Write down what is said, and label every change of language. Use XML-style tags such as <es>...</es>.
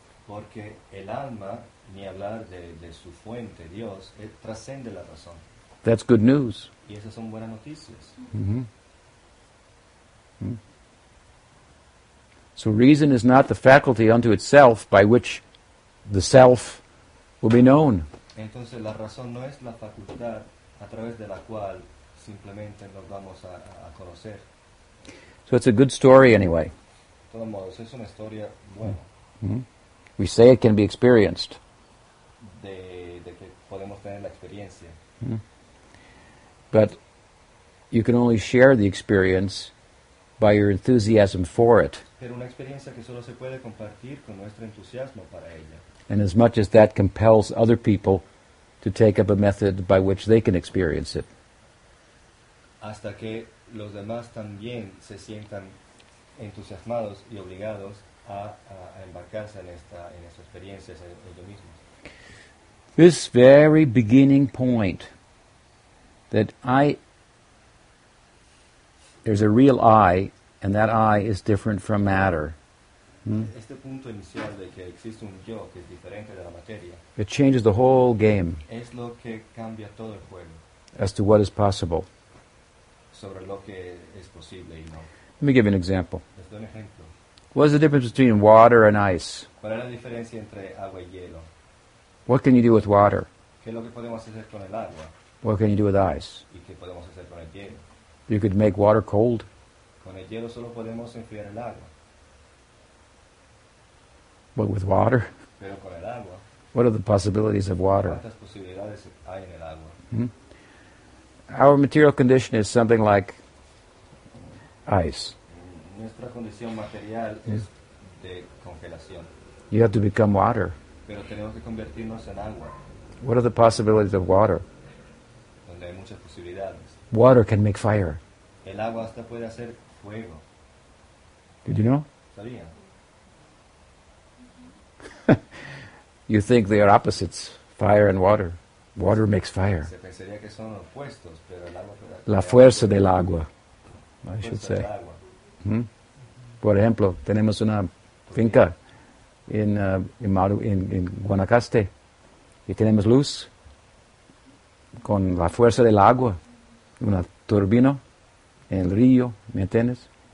<es>Porque el alma, ni hablar de su fuente, Dios, trascende la razón.</es> <en>That's good news.</en> <es>Y esas son buenas noticias.</es> <en>So reason is not the faculty unto itself by which the self will be known.</en> <es>Entonces la razón no es la facultad a través de la cual simplemente nos vamos a conocer.</es> <en>So it's a good story anyway.</en> <es>De todos modos, es una historia buena.</es> <en>We say it can be experienced.</en> <es>De que podemos tener la experiencia.</es> <en>But you can only share the experience by your enthusiasm for it.</en> <es>Pero una experiencia que solo se puede compartir con nuestro entusiasmo para ella.</es> <en>And as much as that compels other people to take up a method by which they can experience it.</en> <es>Hasta que los demás también se sientan entusiasmados y obligados a embarcarse en esta experiencia ellos mismos.</es> <en>This very beginning point that there's a real I, and that I is different from matter.</en> <es>Este punto inicial de que existe un yo que es diferente de la materia.</es> <en>It changes the whole game.</en> <es>Es lo que cambia todo el juego.</es> <en>As to what is possible.</en> <es>Sobre lo que es posible y no.</es> <en>Let me give you an example.</en> <es>Les doy un ejemplo.</es> <en>What is the difference between water and ice?</en> <es>¿Cuál es la diferencia entre agua y hielo?</es> <en>What can you do with water?</en> <es>¿Qué es lo que podemos hacer con el agua?</es> <en>What can you do with ice?</en> <es>¿Y qué podemos hacer con el hielo?</es> <en>You could make water cold.</en> <es>Con el hielo solo podemos enfriar el agua.</es> <en>But with water?</en> <es>Pero con el agua.</es> <en>What are the possibilities of water?</en> <es>¿Cuántas posibilidades hay en el agua?</es> <en>Our material condition is something like ice.</en> <es>Nuestra condición material es de congelación.</es> <en>You have to become water.</en> <es>Pero tenemos que convertirnos en agua.</es> <en>What are the possibilities of water?</en> <es>Donde hay muchas posibilidades.</es> <en>Water can make fire.</en> <es>El agua hasta puede hacer fuego.</es> <en>Did you know?</en> <es>Sabía.</es> <en>You think they are opposites, fire and water. Water makes fire.</en> <es>Se pensaría que son opuestos, pero el agua puede... La fuerza del agua,</es> <en>I should say.</en> <es>Por ejemplo, tenemos una finca en Guanacaste y tenemos luz con la fuerza del agua, una turbina en el río, ¿me entiendes?</es>